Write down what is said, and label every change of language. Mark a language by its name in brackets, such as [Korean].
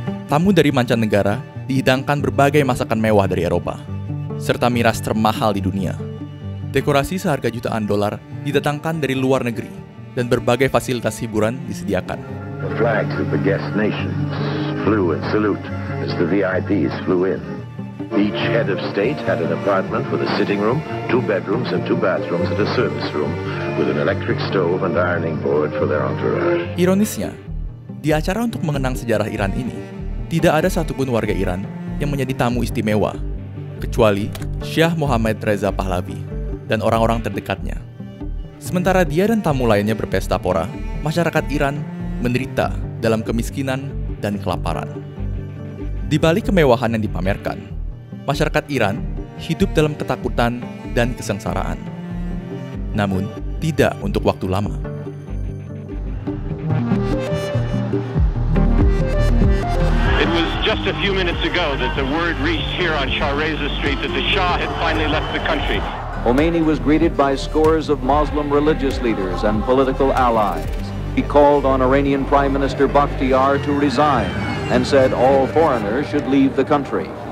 [Indonesian] Tamu dari mancanegara dihidangkan berbagai masakan mewah dari Eropa, serta miras termahal di dunia. Dekorasi seharga jutaan dolar didatangkan dari luar negeri, dan berbagai fasilitas hiburan disediakan. [English] The flags of the guest nations flew in salute as the VIPs flew in. Each head of state had an apartment with a sitting room, two bedrooms and two bathrooms and a service room with an electric stove and ironing board for their entourage. [Indonesian] Ironisnya, di acara untuk mengenang sejarah Iran ini, tidak ada satupun warga Iran yang menjadi tamu istimewa, kecuali Syiah Muhammad Reza Pahlavi dan orang-orang terdekatnya. Sementara dia dan tamu lainnya berpesta pora, masyarakat Iran menderita dalam kemiskinan dan kelaparan. Di balik kemewahan yang dipamerkan, masyarakat Iran hidup dalam ketakutan dan kesengsaraan. Namun, tidak untuk waktu lama. [English] It was just a few minutes ago that the word reached here on Shah Reza Street that the Shah had finally left the country. Khomeini was greeted by scores of Muslim religious leaders and political allies. He called on Iranian Prime Minister Bakhtiar to resign and said all foreigners should leave the country.